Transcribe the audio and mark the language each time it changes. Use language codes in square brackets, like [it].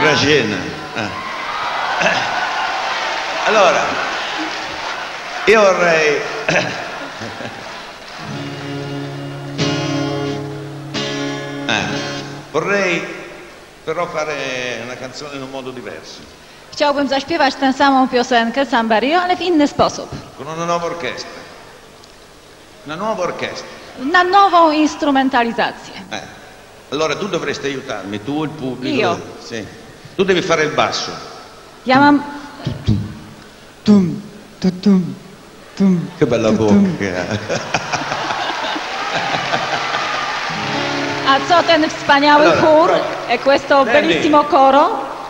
[pl] Grażyna. [it] Allora, io vorrei... vorrei però fare una canzone in un modo diverso. [pl] Chciałbym zaśpiewać tę samą piosenkę, Somebody You, ale w inny sposób. [it] Con una nuova orchestra. Una nuova orchestra. [pl] Na nową instrumentalizację. [it] Allora tu dovresti aiutarmi, tu il pubblico. Io. Sì. Tu devi fare il basso. [pl] Ja mam... Tum, tu, tum, tum. [it] Che bella bocca. [pl] A co ten wspaniały chór [it] e questo bellissimo coro?